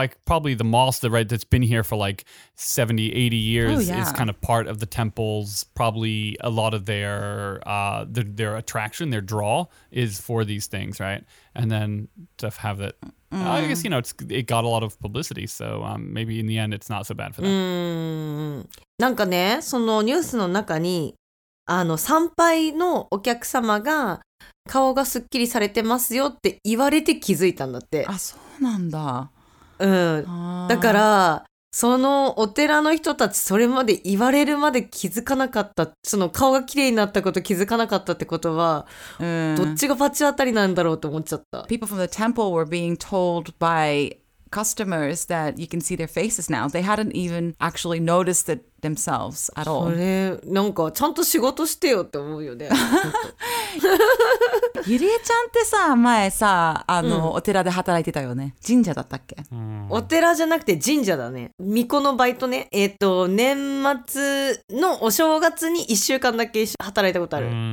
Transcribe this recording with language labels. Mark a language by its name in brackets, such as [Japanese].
[English] Like, probably the mosque, right, that's been here for like 70, 80 years is kind of part of the temple's, probably a lot of their attraction, their draw is for these things, right? And then to have it... I guess, you know, it got a lot of publicity, so maybe in the end it's not so bad for them. [Japanese] なんかね、そのニュースの中に、あの参拝のお客様が顔がすっきりされてますよって言われて気づいたんだって。あ、そうなんだ。だから、そのお寺の人たちそれまで言われるまで気づかなかった、その顔が綺麗になったこと気づかなかったってことは、どっちがバチ当たりなんだろうと思っちゃった。 [English] People from the temple were being told by customers that you can see their faces now. They hadn't even actually noticed it themselves at all. [Japanese] それなんかちゃんと仕事してよって思うよね。ゆりえちゃんってさ、前さ、あの、お寺で働いてたよね。神社だったっけ？お寺じゃなくて神社だね。巫女のバイトね。年末のお正月に1週間だけ働いたことある。